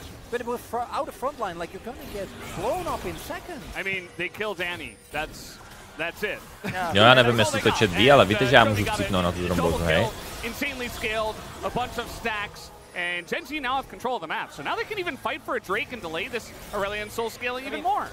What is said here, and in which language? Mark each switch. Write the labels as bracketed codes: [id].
[en] But if we're out of front line, like you're gonna get blown up in seconds. I mean, they kill Danny. That's it. [cs] Jo, já nevím, jestli to chat ví, ale víte, že já můžu vcipnout na tu trombozu, hej? [en] Insanely scaled, a bunch of stacks. And Gen.G now have control of the map, so now they can even fight for a Drake and delay this Aurelion soul scaling even more.